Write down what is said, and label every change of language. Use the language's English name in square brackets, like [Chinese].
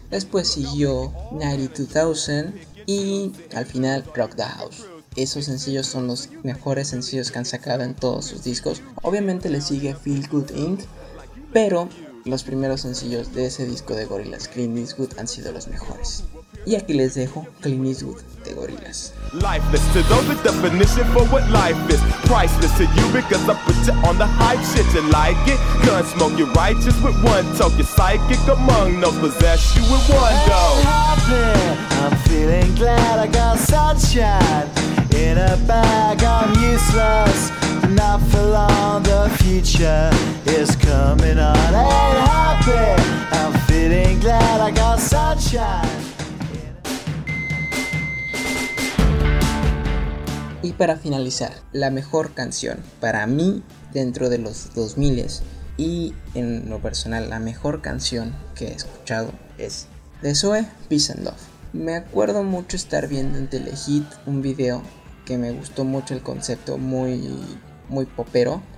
[Spanish] Después siguió 92,000. Y al final, Rock the House. Esos sencillos son los mejores sencillos que han sacado en todos sus discos. Obviamente le sigue Feel Good Inc. Pero los primeros sencillos de ese disco de Gorillaz, Clint Eastwood, han sido los mejores. Y aquí les dejo Clint Eastwood de Gorillaz. [English] Lifeless to those with definition for what life is. Priceless to you because I put you on the hype shit. You like it? Gun smoke, you're righteous with one talk. You're psychic among no possess you with one dough. I'm feeling glad I got sunshine in a bag. I'm useless, not for long. The future is coming on. Ain't happy. I'm feeling glad I got sunshine. [Spanish] Y para finalizar, la mejor canción para mí dentro de los 2000 y en lo personal la mejor canción que he escuchado es de Zoe, Peace and Love. Me acuerdo mucho estar viendo en Telehit un video que me gustó mucho el concepto, muy, muy popero.